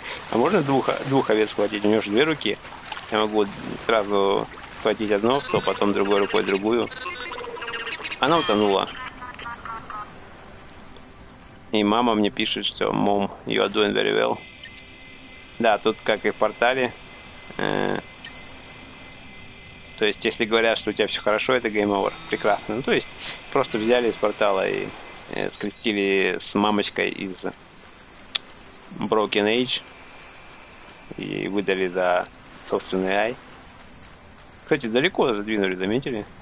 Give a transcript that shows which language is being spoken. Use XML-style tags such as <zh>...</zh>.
<ru>А можно двух овец схватить? У него же две руки. Я могу сразу схватить одну овцу, потом другой рукой другую. Она утонула. И мама мне пишет, что</ru> <en>mom, you are doing very well.</en> <ru>Да, тут как и в портале. То есть, если говорят, что у тебя все хорошо, это game over. Прекрасно. Ну, то есть, просто взяли из портала и скрестили с мамочкой из Broken Age. И выдали за собственный AI. Кстати, далеко задвинули, заметили?</ru>